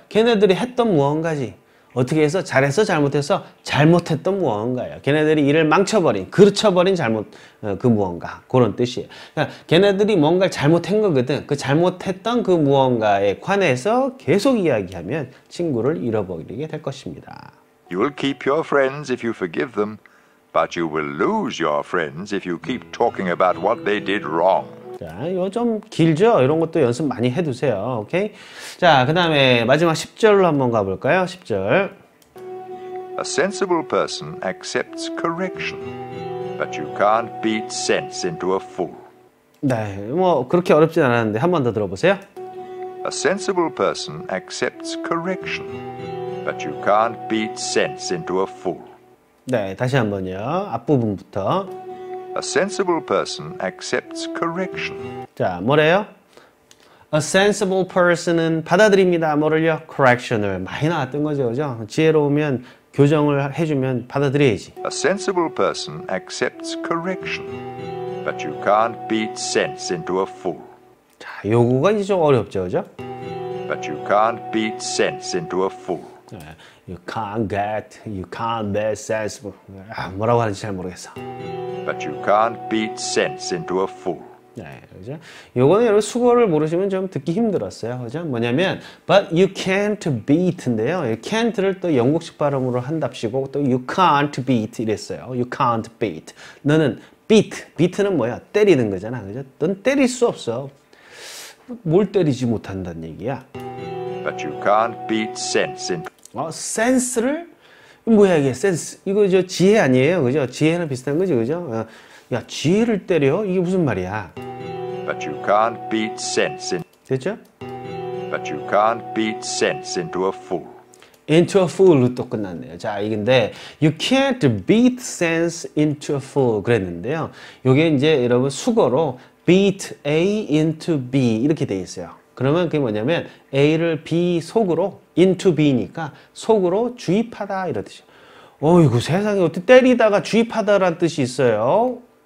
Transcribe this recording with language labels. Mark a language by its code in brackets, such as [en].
[ko] 걔네들이 했던 무언가지 어떻게 해서 잘했어 잘못했어 잘못했던 무언가요? 걔네들이 일을 망쳐버린 그르쳐버린 잘못 그 무언가 그런 뜻이에요. 그러니까 걔네들이 뭔가 잘못한 거거든. 그 잘못했던 그 무언가에 관해서 계속 이야기하면 친구를 잃어버리게 될 것입니다. [en] You'll keep your friends if you forgive them. But you will lose your friends if you keep talking about what they did wrong. [ko] 자, 이거 좀 길죠? 이런 것도 연습 많이 해두세요. 오케이? 자, 그 다음에 마지막 10절로 한번 가볼까요? 10절. [en] A sensible person accepts correction, but you can't beat sense into a fool. [ko] 네, 뭐 그렇게 어렵진 않았는데 한 번 더 들어보세요. [en] A sensible person accepts correction, but you can't beat sense into a fool. [ko] 네, 다시 한번요. 앞부분부터 [en] A A sensible person accepts correction. [ko] 자, 뭐래요? [en] A sensible person은 [ko] 받아들입니다. 뭐를요? Correction을 많이 나왔던 거죠. 그죠? 지혜로우면 교정을 해주면 받아들여야지. [en] A sensible person accepts correction. But you can't beat sense into a fool. [ko] 자, 요구가 이제 좀 어렵죠. 그죠? [en] But you can't beat sense into a fool. You can't get, you can't be sensible. [ko] 아, 뭐라고 하는지 잘 모르겠어. [en] But you can't beat sense into a fool. [ko] 네, 그죠? 요거는 여러분 수거를 모르시면 좀 듣기 힘들었어요. 그죠? 뭐냐면 [en] but you can't beat인데요. [ko] can't를 또 영국식 발음으로 한답시고 또 [en] you can't beat [ko] 이랬어요. [en] you can't beat. [ko] 너는 beat. beat는 뭐야? 때리는 거잖아. 그죠? 넌 때릴 수 없어. 뭘 때리지 못한다는 얘기야. [en] but you can't beat sense in [ko] 센스를 뭐야 이게 센스. 이거 저 지혜 아니에요. 그죠? 지혜는 비슷한 거지. 그죠? 야, 지혜를 때려? 이게 무슨 말이야? [en] But you can't beat sense in [ko] 됐죠? [en] But you can't beat sense into a fool. Into a fool로 [ko] 또 끝났네요. 자, 근데 [en] you can't beat sense into a fool [ko] 그랬는데요. 요게 이제 여러분 수거로 [en] beat A into B [ko] 이렇게 돼 있어요. 그러면 그게 뭐냐면 A를 B 속으로 [en] into B [ko] 니까 속으로 주입하다 이러듯이. 어이구 세상에 어떻게 때리다가 주입하다라는 뜻이 있어요?